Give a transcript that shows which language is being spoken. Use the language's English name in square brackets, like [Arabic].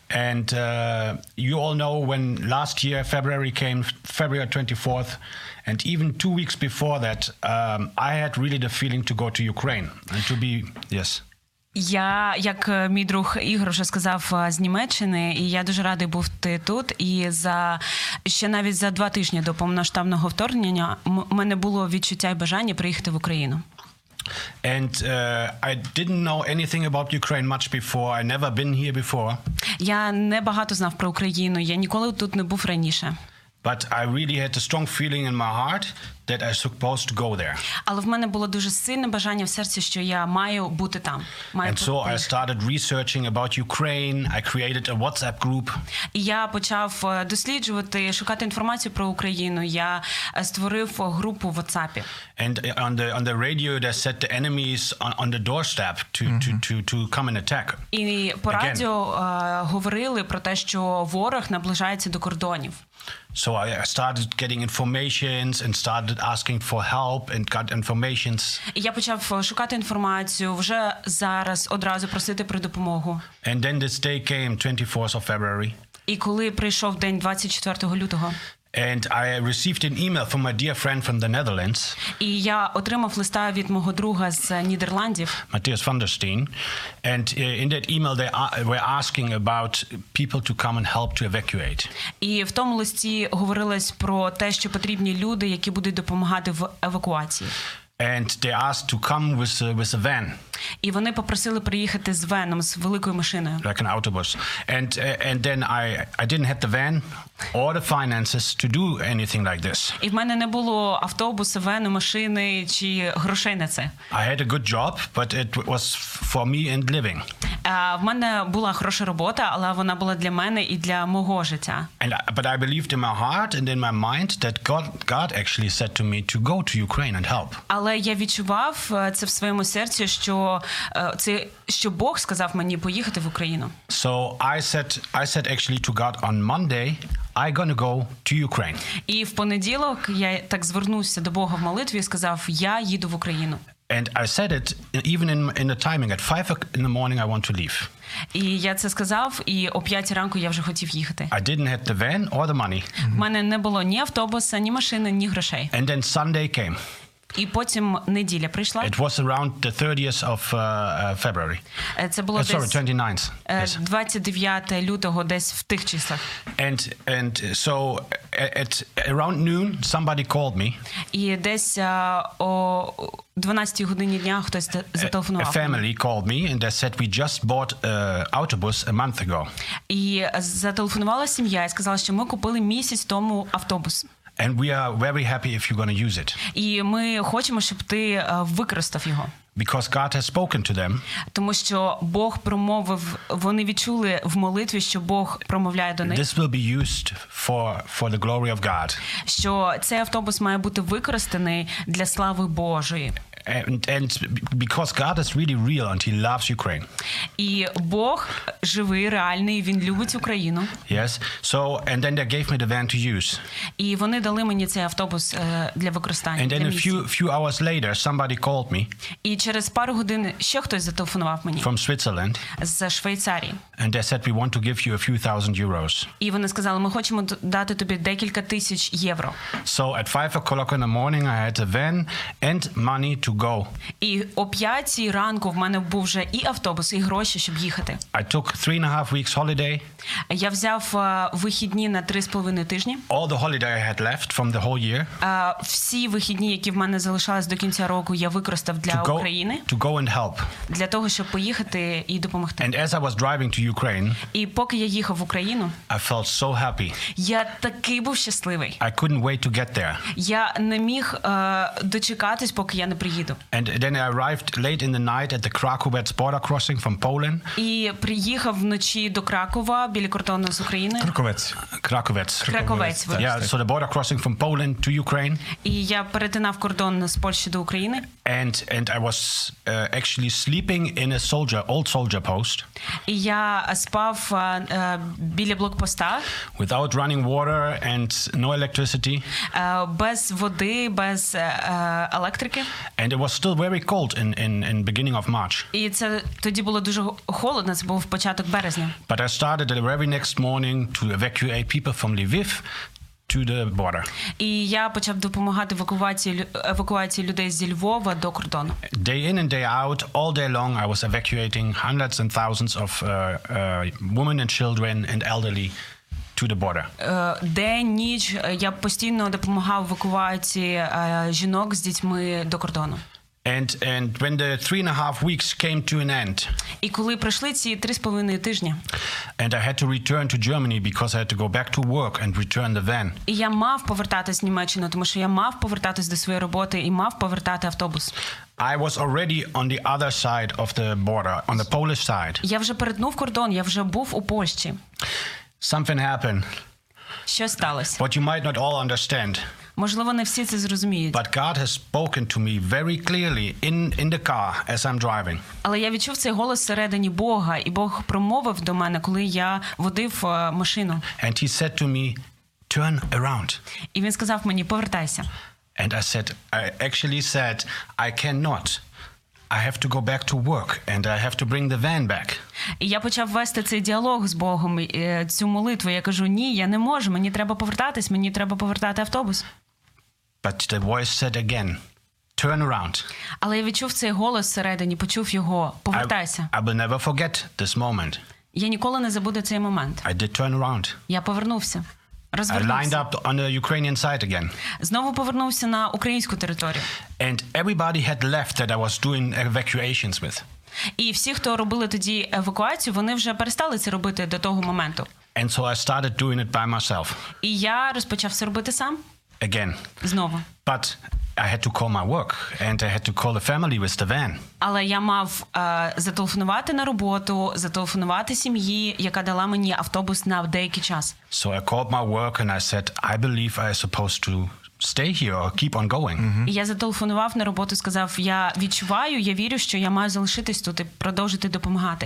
[English] And you all know when last year, February came, February 24th, and even 2 weeks before that, I had really the feeling to go to Ukraine and to be, yes. [Ukrainian] Я, як мій друг Ігор вже сказав, з Німеччини, і я дуже радий був бути тут. І за ще навіть за 2 тижні до повномасштабного вторгнення у мене було відчуття і бажання приїхати в Україну. [English] And I didn't know anything about Ukraine much before. I never been here before. [Ukrainian] Я не багато знав про Україну. Я ніколи тут не був раніше. [English] But I really had a strong feeling in my heart that I supposed to go there. [Ukrainian] Але в мене було дуже сильне бажання в серці, що я маю бути там. [English] And so I started researching about Ukraine. I created a WhatsApp group. [Ukrainian] І я почав досліджувати, шукати інформацію про Україну. Я створив групу в WhatsApp. [English] And on the radio they said the enemy is on the doorstep to come and attack. [Ukrainian] І по радіо говорили про те, що ворог наближається до кордонів. [English] So I started getting informations and started asking for help and got informations. [Ukrainian] Я почав шукати інформацію, вже зараз одразу просити про допомогу. [English] And then this day came, 24th of February. [Ukrainian] І коли прийшов день 24 лютого. [English] And I received an email from my dear friend from the Netherlands. [Ukrainian] І я отримав листа від мого друга з Нідерландів. [English] Matthias van der Steen. And in that email they were asking about people to come and help to evacuate. [Ukrainian] І в тому листі говорилось про те, що потрібні люди, які будуть допомагати в евакуації. [English] And they asked to come with a van. [Ukrainian] І вони попросили приїхати з веном, з великою машиною. [English] Like an autobus. And then I didn't have the van or the finances to do anything like this. [Ukrainian] І в мене не було автобуса, вену, машини чи грошей на це. [English] I had a good job, but it was for me and living. [Ukrainian] В мене була хороша робота, але вона була для мене і для мого життя. [English] But I believed in my heart and in my mind that God actually said to me to go to Ukraine and help. [Ukrainian] Але я відчував це в своєму серці, що це, що Бог сказав мені поїхати в Україну. [English] So I said actually to God on Monday, I'm gonna go to Ukraine. [Ukrainian] І в понеділок я так звернувся до Бога в молитві і сказав, я їду в Україну. [English] And I said it even in the timing at 5 in the morning I want to leave. [Ukrainian] І я це сказав, і о 5 ранку я вже хотів їхати. [English] I didn't have the van or the money. [Ukrainian] У мене не було ні автобуса, ні машини, ні грошей. [English] And then Sunday came. [Ukrainian] І потім неділя прийшла. [English] It was around the 30th of February. [Ukrainian] Це було [English] Sorry, 29th. [Ukrainian] 29 лютого десь в тих числах. [English] And so at around noon somebody called me. [Ukrainian] І десь о 12 годині дня хтось зателефонував. [English] A family called me and they said we just bought autobus a month ago. [Ukrainian] І зателефонувала сім'я і сказала, що ми купили місяць тому автобус. [English] And we are very happy if you're going to use it. [Ukrainian] І ми хочемо, щоб ти використав його. [English] Because God has spoken to them. [Ukrainian] Тому що Бог промовив, вони відчули в молитві, що Бог промовляє до них. [English] This will be used for the glory of God. [Ukrainian] Що цей автобус має бути використаний для слави Божої. [English] And because God is really real and he loves Ukraine. [Ukrainian] І Бог живий, реальний, він любить Україну. [English] Yes. So and then they gave me the van to use. [Ukrainian] І вони дали мені цей автобус для використання. [English] And then a few hours later somebody called me. [Ukrainian] І через пару годин ще хтось зателефонував мені. [English] From Switzerland. [Ukrainian] З Швейцарії. [English] And they said we want to give you a few thousand euros. [Ukrainian] І вони сказали, ми хочемо дати тобі декілька тисяч євро. [English] So at 5 o'clock in the morning I had a van and money to go. [Ukrainian] І о 5 ранку в мене був вже і автобус, і гроші, щоб їхати. [English] I took 3.5 weeks holiday. [Ukrainian] Я взяв вихідні на 3.5 тижні. [English] All the holiday I had left from the whole year. [Ukrainian] Всі вихідні, які в мене залишались до кінця року, я використав для України. [English] To go and help. [Ukrainian] Для того, щоб поїхати і допомогти. [English] And as I was driving to Ukraine. [Ukrainian] І поки я їхав в Україну. [English] I felt so happy. [Ukrainian] Я такий був щасливий. [English] I couldn't wait to get there. [Ukrainian] Я не міг дочекатись, поки я не приїду. [English] And then I arrived late in the night at the Krakowets border crossing from Poland. [Ukrainian] І приїхав вночі до Кракова. Біля кордону з Україною. Краковець. [English] Yeah, so the border crossing from Poland to Ukraine. [Ukrainian] І я перетинав кордон з Польщі до України. [English] And I was actually sleeping in a old soldier post. [Ukrainian] І я спав біля блокпоста. [English] Without running water and no electricity. [Ukrainian] Без води, без електрики. [English] And it was still very cold in beginning of March. [Ukrainian] І це тоді було дуже холодно, це був початок березня. [English] But I started the very next morning to evacuate people from Lviv to the border. [Ukrainian] І я почав допомагати в евакуації людей зі Львова до кордону. [English] Day in and day out, all day long I was evacuating hundreds and thousands of women and children and elderly to the border. [Ukrainian] День, ніч я постійно допомагав евакуації жінок з дітьми до кордону. [English] And when the 3.5 weeks came to an end. [Ukrainian] І коли пройшли ці 3.5 тижні. [English] And I had to return to Germany because I had to go back to work and return the van. [Ukrainian] І я мав повертатись в Німеччину, тому що я мав повертатись до своєї роботи і мав повертати автобус. [English] I was already on the other side of the border, on the Polish side. [Ukrainian] Я вже перетнув кордон, я вже був у Польщі. [English] Something happened. [Ukrainian] Що сталося? [English] What you might not all understand. [Ukrainian] Можливо, не всі це зрозуміють. [English] But God has spoken to me very clearly in the car as I'm driving. [Ukrainian] Але я відчув цей голос всередині Бога, і Бог промовив до мене, коли я водив машину. [English] And he said to me, "Turn around." [Ukrainian] І він сказав мені, повертайся. [English] And I actually said, "I cannot. I have to go back to work and I have to bring the van back." [Ukrainian] І я почав вести цей діалог з Богом, цю молитву. Я кажу: "Ні, я не можу, мені треба повертатись, мені треба повертати автобус." [English] But the voice said again, "Turn around." [Ukrainian] Але я відчув цей голос всередині, почув його: "Повертайся." [English] I will never forget this moment. [Ukrainian] Я ніколи не забуду цей момент. [English] I did turn around. [Ukrainian] Я повернувся. [English] I lined up on the Ukrainian side again. [Ukrainian] Знову повернувся на українську територію. [English] And everybody had left that I was doing evacuations with. [Ukrainian] І всі, хто робили тоді евакуацію, вони вже перестали це робити до того моменту. [English] And so I started doing it by myself. [Ukrainian] І я розпочав це робити сам. [English] Again. [Ukrainian] Знову. [English] But I had to call my work and I had to call the family with the van. [Ukrainian] Але я мав зателефонувати на роботу, зателефонувати сім'ї, яка дала мені автобус на деякий час. [English] So I called my work and I said, "I believe I am supposed to stay here or keep on going." Mm-hmm. [Ukrainian] І я зателефонував на роботу, сказав: "Я відчуваю, я вірю, що я маю залишитись тут і продовжити допомагати."